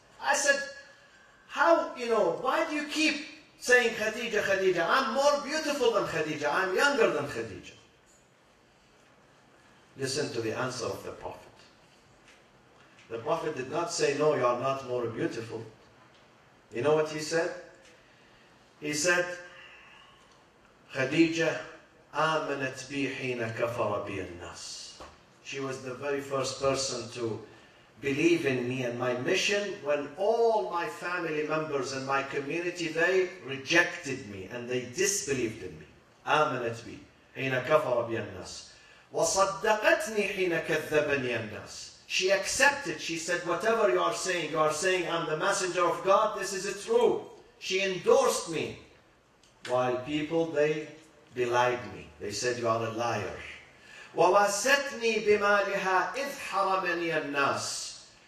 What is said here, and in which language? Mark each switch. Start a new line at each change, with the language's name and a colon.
English: I said, why do you keep saying Khadija, Khadija, I'm more beautiful than Khadija, I'm younger than Khadija. Listen to the answer of the Prophet. The Prophet did not say, no, you are not more beautiful. You know what he said? He said,
Arabic: Khadija, آمنت بي حين كفر بي الناس.
English: She was the very first person to believe in me and my mission when all my family members and my community, they rejected me and they disbelieved in me.
Arabic: آمنت بي حين كفر بي الناس. وصدقتني حين كذبني الناس.
English: She accepted. She said, whatever you are saying, I'm the messenger of God. This is true. She endorsed me. While people, they belied me. They said, you are a liar.
Arabic: وَوَاسَتْنِي بِمَالِهَا إِذْ حَرَمَنِيَ النَّاسِ.